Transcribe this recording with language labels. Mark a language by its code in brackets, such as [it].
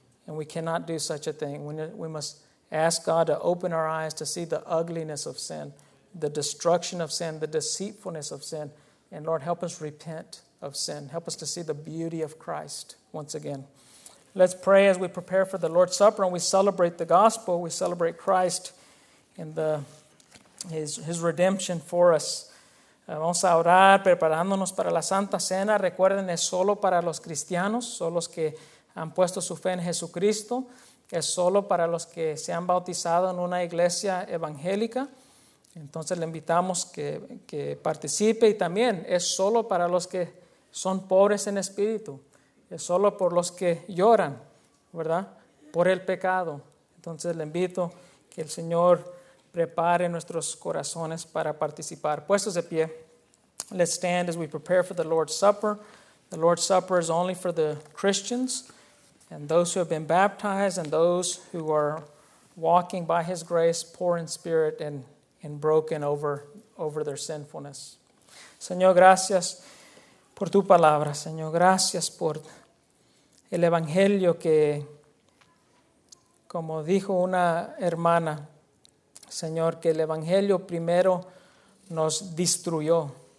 [en] And we cannot do such a thing. We must ask God to open our eyes to see the ugliness of sin, the destruction of sin, the deceitfulness of sin. And Lord, help us repent of sin. Help us to see the beauty of Christ once again. Let's pray as we prepare for the Lord's Supper and we celebrate the gospel. We celebrate Christ and his redemption for us. [es] Vamos a orar preparándonos para la Santa Cena. Recuerden, es solo para los cristianos, solo los que han puesto su fe en Jesucristo, es solo para los que se han bautizado en una iglesia evangélica. Entonces le invitamos que participe, y también es solo para los que son pobres en espíritu, es solo por los que lloran, ¿verdad?, por el pecado. Entonces le invito que el Señor prepare nuestros corazones para participar. Puestos de pie, [en] let's stand as we prepare for the Lord's Supper. The Lord's Supper is only for the Christians and those who have been baptized and those who are walking by His grace, poor in spirit and broken over their sinfulness. [es] Señor, gracias por tu palabra. Señor, gracias por el evangelio que, como dijo una hermana, Señor, que el evangelio primero nos destruyó.